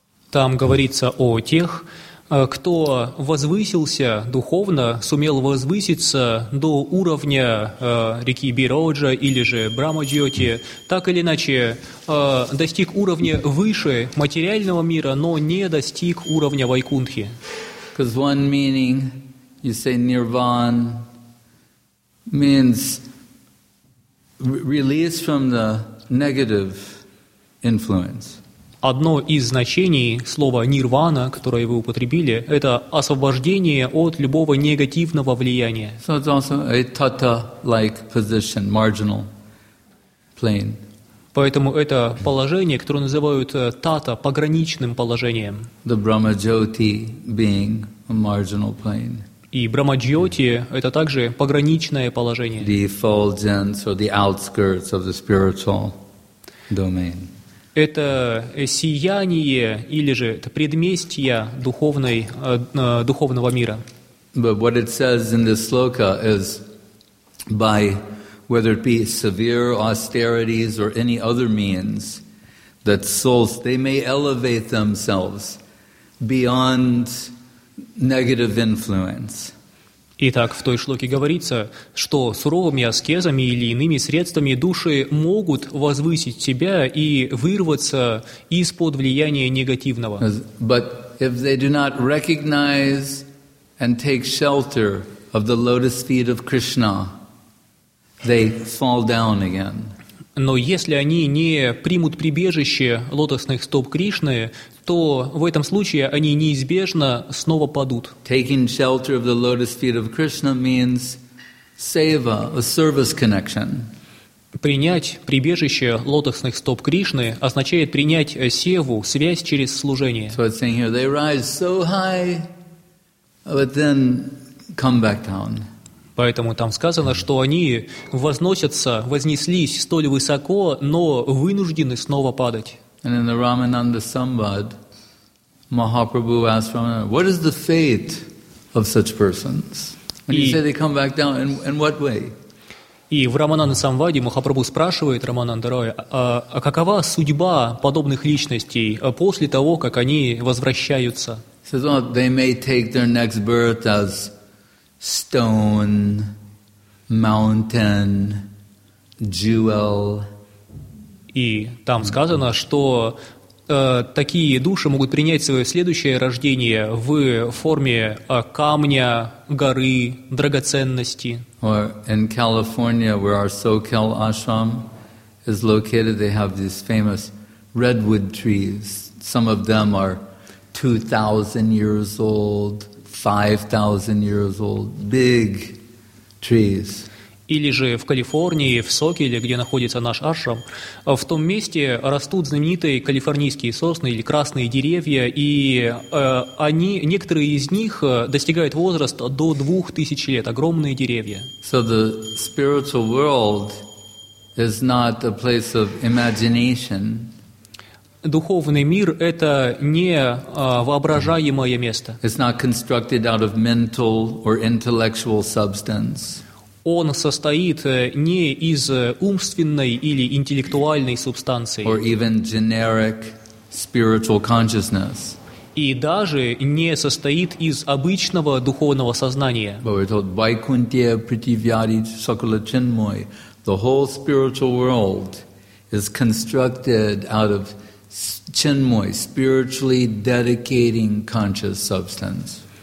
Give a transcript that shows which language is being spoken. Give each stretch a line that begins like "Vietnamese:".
Russian: Там говорится о тех, кто возвысился духовно, сумел возвыситься до уровня реки Бироджа или же Брамаджьоти, так или иначе достиг уровня выше материального мира, но не достиг уровня Вайкунтхи.
English: Because one meaning, you say Nirvan, means release from the negative influence.
Russian: Одно из значений слова «нирвана», которое вы употребили, это освобождение от любого негативного влияния.
English: So it's also a tata-like position, marginal plane.
Russian: Поэтому это положение, которое называют тата, пограничным положением.
English: The Brahma-jyoti being a marginal plane.
Russian: И Брахма-джьоти это также пограничное положение.
English: The effulgence or the outskirts of the spiritual domain.
Russian: Это сияние или же это предместье духовного мира.
English: But what it says in this sloka is by whether it be severe austerities or any other means that souls, they may elevate themselves beyond negative influence.
Russian: Итак, в той шлоке говорится, что суровыми аскезами или иными средствами души могут возвысить себя и вырваться из-под влияния негативного.
English: But if they do not recognize and take shelter of the lotus feet of Krishna, they fall down again.
Russian: Но если они не примут прибежище лотосных стоп Кришны, то в этом случае они неизбежно снова падут.
English: Taking shelter of the lotus feet of Krishna means seva, a service connection.
Russian: Принять прибежище лотосных стоп Кришны означает принять севу, связь через служение.
English: So it's saying here, they rise so high, but then come back down.
Russian: Поэтому там сказано, что они возносятся, вознеслись столь высоко, но вынуждены снова падать.
English: And in the Ramananda Sambhad, Mahaprabhu asked Ramananda, what is the fate of such persons? When you say they come back down, in what way?
Russian: И в Рамананда Самваде Махапрабху спрашивает Рамананда Роя, а какова судьба подобных личностей после того, как они возвращаются?
English: He says, well, they may take their next birth as stone, mountain, jewel.
Russian: И там сказано, что такие души могут принять свое следующее рождение в форме камня, горы, драгоценности.
English: Or in California, where our SoCal ashram is located, they have these famous redwood trees. Some of them are 2,000 years old. 5,000 years old, big trees.
Russian: Или же в Калифорнии, в Сокеле, где находится наш ашрам, в том месте растут знаменитые калифорнийские сосны или красные деревья, и они, некоторые из них достигают возраста до 2000 лет, огромные деревья.
English: So the spiritual world is not a place of imagination.
Russian: Духовный мир – это не воображаемое место.
English: It's not constructed out of mental or intellectual substance.
Russian: Он состоит не из умственной или интеллектуальной субстанции.
English: Or even generic spiritual consciousness.
Russian: И даже не состоит из обычного духовного сознания.
English: But we're told,
Bangla: Vaikunthe prithivyari sakala chinmoy.
English: The whole spiritual world is constructed out of chinmoy, spiritually dedicating conscious substance.